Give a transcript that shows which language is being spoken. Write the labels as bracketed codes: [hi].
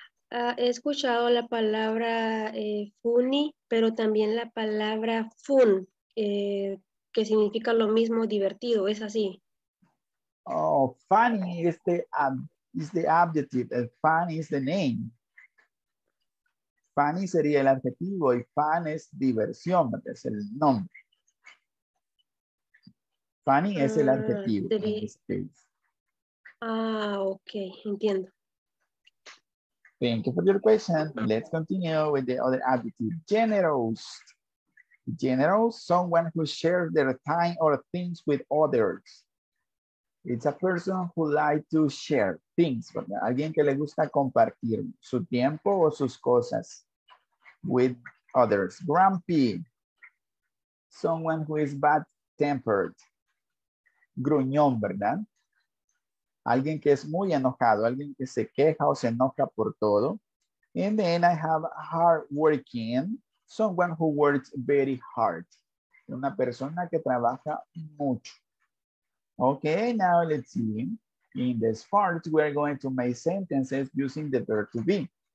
[es] He escuchado la palabra funny, pero también la palabra fun, que significa lo mismo, divertido, ¿es así? [en] Oh, funny is the adjective, and fun is the name. [es] Funny sería el adjetivo y fun es diversión, es el nombre. Funny es el adjetivo. Ah, ok, entiendo. [en] Thank you for your question. Let's continue with the other adjective. Generous. Generous, someone who shares their time or things with others. It's a person who likes to share things. [es] Alguien que le gusta compartir su tiempo o sus cosas [en] with others. [es] Grumpy. [en] Someone who is bad-tempered. [es] Gruñón, ¿verdad? Alguien que es muy enojado, alguien que se queja o se enoja por todo. [en] And then I have hardworking, someone who works very hard. [es] Una persona que trabaja mucho. [en] Okay, now let's see. In this part, we are going to make sentences using the verb to be.